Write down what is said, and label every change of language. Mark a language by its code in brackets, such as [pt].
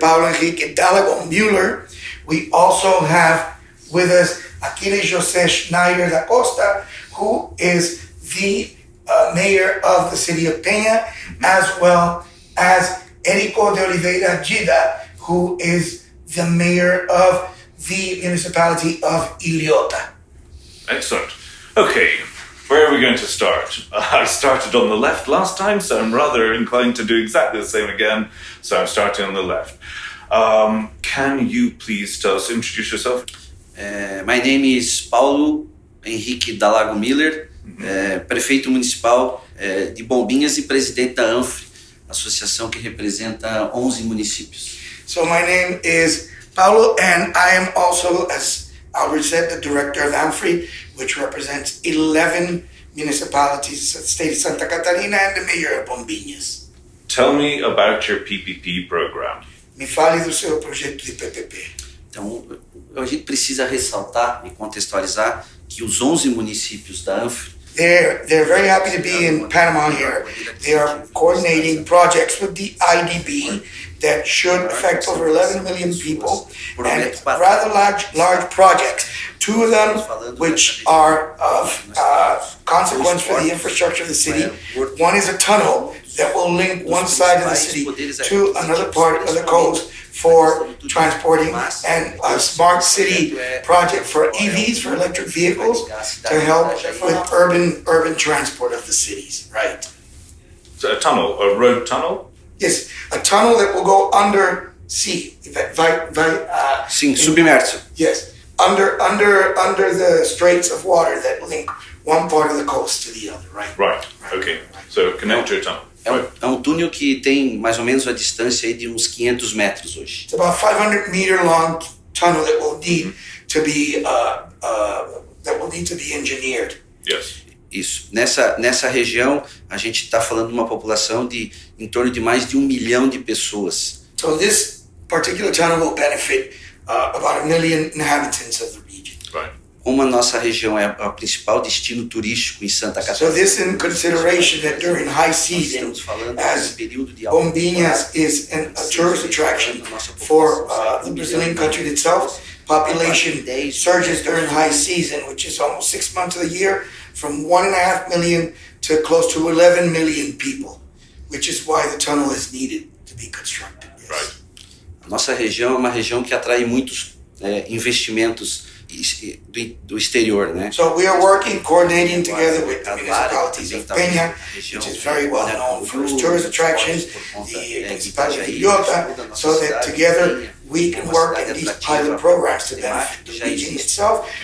[en] Paulo Henrique Dalago Müller. We also have with us Aquilles da Costa, who is the mayor of the city of Penha, as well as Erico de Oliveira, who is the mayor of the municipality of Ilhota. Excellent. Okay. Where are we going to start? I started on the left last time, so I'm rather inclined to do exactly the same again. So I'm starting on the left. Can you please tell us, introduce yourself? My name is [pt] Paulo Henrique Dalago Müller, prefeito municipal de Bombinhas e presidente da AMFRI, associação que representa 11 municípios. [en] So my name is Paulo, and I am also, as Albert said, the director of AMFRI, which represents 11 municipalities in the state of Santa Catarina, and the mayor of Bombinhas. Tell me about your PPP program. [pt] Me fale do seu projeto de PPP. Então, a gente precisa ressaltar e contextualizar que os 11 municípios da AMFRI... [en] They're very happy to be in Panama here. They are coordinating projects with the IDB that should affect over 11 million people, and rather large projects. Two of them, which are of consequence for the infrastructure of the city. One is a tunnel that will link one side of the city to another part of the coast for transporting, and a smart city project for EVs, for electric vehicles, to help with urban transport of the cities, right? So a tunnel, a road tunnel? Yes, a tunnel that will go under sea, [pt] sim, submerso. [en] Yes, under the straits of water that link one part of the coast to the other, right? Right, okay. So, connector tunnel. [pt] É um túnel que tem mais ou menos a distância aí de uns 500 metros hoje. [en] It's about 500 meter long tunnel that will need to be engineered. Yes. [pt] Isso. Nessa região, a gente está falando de uma população de em torno de mais de 1 milhão de pessoas. [en] So this particular tunnel will benefit about 1 million inhabitants of the region. Right. [pt] Como a nossa região é o principal destino turístico em Santa Catarina. [en] So this in consideration that during high season, as Bombinhas is a tourist attraction for the Brazilian country itself, population surges during high season, which is almost 6 months of the year, from 1.5 million to close to 11 million people, which is why the tunnel is needed to be constructed. Yes. Right. [pt] A nossa região é uma região que atrai muitos investimentos do exterior, né? [en] So we are working, coordinating together with the municipalities of Penha, which is very well known for its tourist attractions, the municipality of Ilhota, so that together we can work in these pilot programs to benefit the region itself.